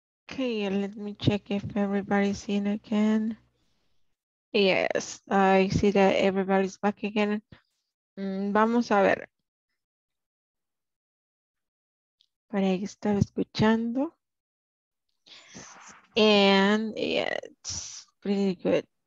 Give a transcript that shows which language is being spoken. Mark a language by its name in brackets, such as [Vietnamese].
[English] Okay, let me check if everybody's in again. Yes, I see that everybody's back again. [Spanish] Vamos a ver. Por ahí estaba escuchando. [English] And yeah, it's pretty good.